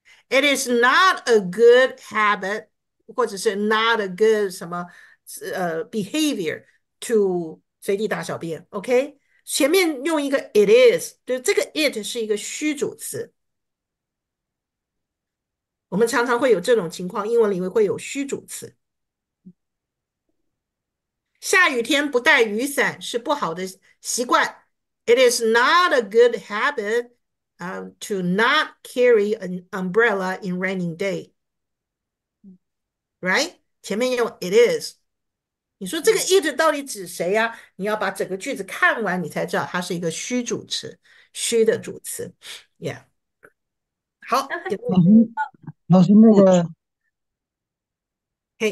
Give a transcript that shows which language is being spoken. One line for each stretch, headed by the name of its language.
English: It is not a good habit，
Chinese: 或者是
English: not a good
Chinese: 什么。
English: behavior to
Chinese: 随地大小便，
English: OK？
Chinese: 前面用一个
English: it is，
Chinese: 就这个 it 是一个虚主词。我们常常会有这种情况，英文里面会有虚主词。下雨天不带雨伞是不好的习惯。
English: It is not a good habit, to not carry an umbrella in raining day. Right?
Chinese: 前面用 it is。你说这个 it 到底指谁呀？你要把整个句子看完，你才知道它是一个虚主词，虚的主词。
English: Yeah，
Chinese: 好，给我。嘿，